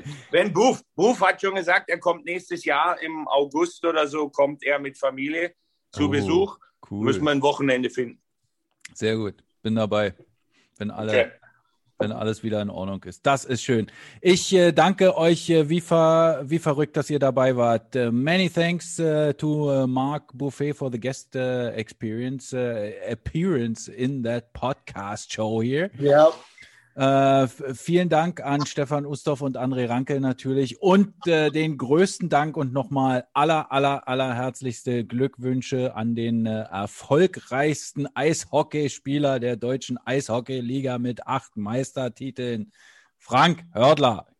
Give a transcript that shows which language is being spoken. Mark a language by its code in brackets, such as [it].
[de] wenn Buf hat schon gesagt, er kommt nächstes Jahr im August oder so, kommt er mit Familie zu Besuch. Cool. Müssen wir ein Wochenende finden. Sehr gut. Bin dabei. Wenn alles wieder in Ordnung ist. Das ist schön. Ich danke euch, wie verrückt, dass ihr dabei wart. [en] Many thanks to Mark Beaufait for the guest appearance in that podcast show here. Yep. [de] Vielen Dank an Stefan Ustorf und André Rankel natürlich. Und den größten Dank und nochmal aller herzlichste Glückwünsche an den erfolgreichsten Eishockeyspieler der deutschen Eishockeyliga mit 8 Meistertiteln, Frank Hördler.